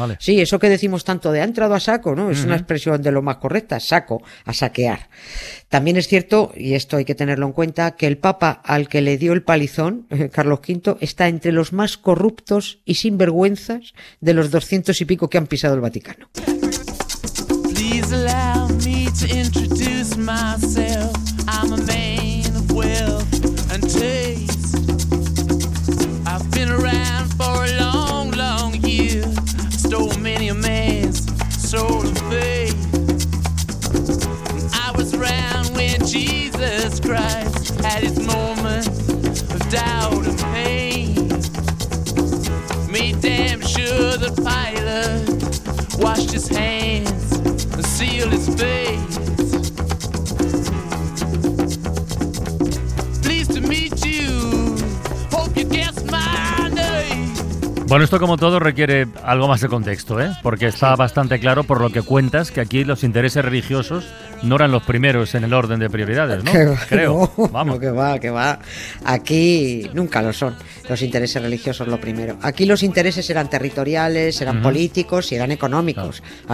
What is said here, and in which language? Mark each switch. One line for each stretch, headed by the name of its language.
Spanish: Sí, eso que decimos tanto de ha entrado a saco, ¿no? Es una expresión de lo más correcta, saco, a saquear. También es cierto, y esto hay que tenerlo en cuenta, que el Papa al que le dio el palizón, Carlos V, está entre los más corruptos y sinvergüenzas de los 200 y pico que han pisado el Vaticano.
English: Please allow me to introduce myself. I'm a man of wealth and taste. I've been around for a long, long year. Stole many a man's soul and faith. I was around when Jesus Christ had his moment of doubt and pain. Made damn sure the pilot washed his hands. Seal his face. Pleased to meet you. Hope you guessed my name.
Spanish: Bueno, esto como todo requiere algo más de contexto, ¿eh? Porque está bastante claro por lo que cuentas que aquí los intereses religiosos no eran los primeros en el orden de prioridades, ¿no? Que va. Aquí nunca lo son los intereses religiosos lo primero. Aquí los intereses eran territoriales, eran políticos y eran económicos. Claro.